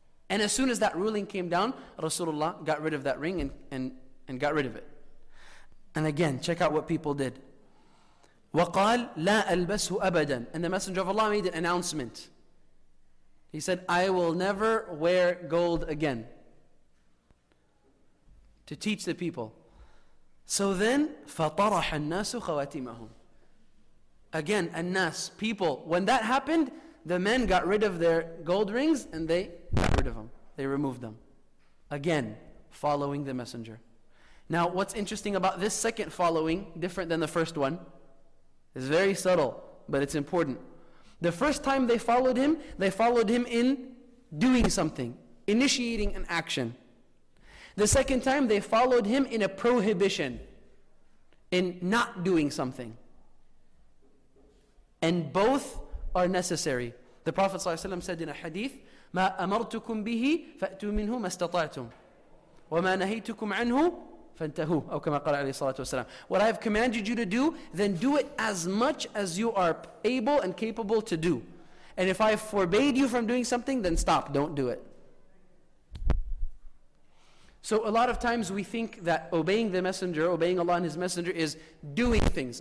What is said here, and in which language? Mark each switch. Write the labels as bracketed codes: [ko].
[en] And as soon as that ruling came down, Rasulullah got rid of that ring and got rid of it. And again, check out what people did. [ar] وَقَالْ لَا أَلْبَسْهُ أَبَدًا. [en] And the Messenger of Allah made an announcement. He said, I will never wear gold again. To teach the people. So then, [ar] فَطَرَحَ النَّاسُ خَوَاتِمَهُمْ. [en] Again, annas, people. When that happened, the men got rid of their gold rings and they got rid of them. They removed them. Again, following the Messenger. Now, what's interesting about this second following, different than the first one, is very subtle, but it's important. The first time they followed him in doing something, initiating an action. The second time they followed him in a prohibition, in not doing something. And both are necessary. The Prophet ﷺ said in a hadith, [ar] مَا أَمَرْتُكُمْ بِهِ فَأْتُوا مِنْهُ مَا اسْتَطَعْتُمْ وَمَا نَهَيْتُكُمْ عَنْهُ فَانْتَهُوا أَوْ كَمَا قَالَ عَلَيْهِ الصَّلَاةُ وَالسَّلَامُ. [en] What I have commanded you to do, then do it as much as you are able and capable to do. And if I forbade you from doing something, then stop, don't do it. So a lot of times we think that obeying the Messenger, obeying Allah and His Messenger, is doing things.